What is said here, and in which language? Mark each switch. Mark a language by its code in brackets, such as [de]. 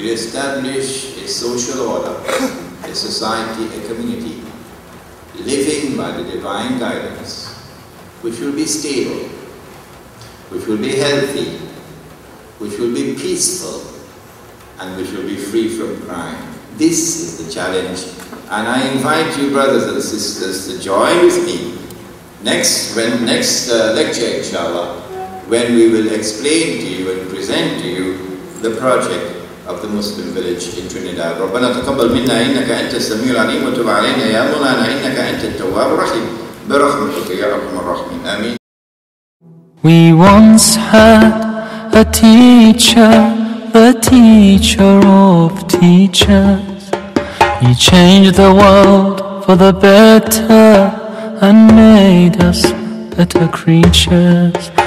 [en] We'll establish a social order, a society, a community, living by the divine guidance, which will be stable, which will be healthy, which will be peaceful, and which will be free from crime. This is the challenge. And I invite you, brothers and sisters, to join with me next lecture, inshallah, when we will explain to you and present to you the project of the Muslim village in Trinidad. [ar] ربنا تقبل منا إنك أنت السميع العليم وتب علينا يا مولانا إنك أنت التواب الرحيم برحمتك يا أرحم الراحمين آمين. [en] We once had a teacher, the teacher of teachers. He changed the world for the better and made us better creatures.